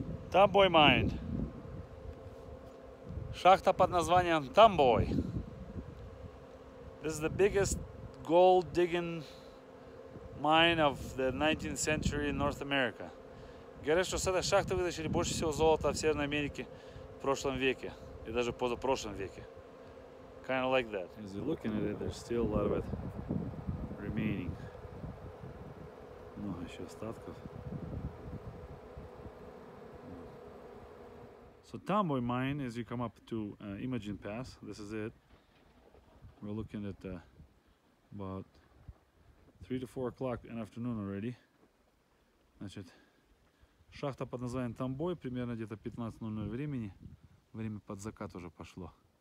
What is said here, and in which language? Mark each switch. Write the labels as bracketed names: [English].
[English] Tomboy mind. [Russian] Шахта под названием Tomboy. [English] This is the biggest gold digging mine of the 19th century in North America. [Russian] Говорят, что с этой шахты вытащили больше всего золота в Северной Америке в прошлом веке и даже позапрошлом веке. [English] Kind of like that. As you're looking at it, there's still a lot of it remaining. [Russian] Много еще остатков. [English] So Tomboy Mine, as you come up to Imogene Pass, this is it. We're looking at about 3 to 4 o'clock in the afternoon already. [Russian] Значит, шахта под названием Tomboy, примерно где-то 15:00 времени. Время под закат уже пошло.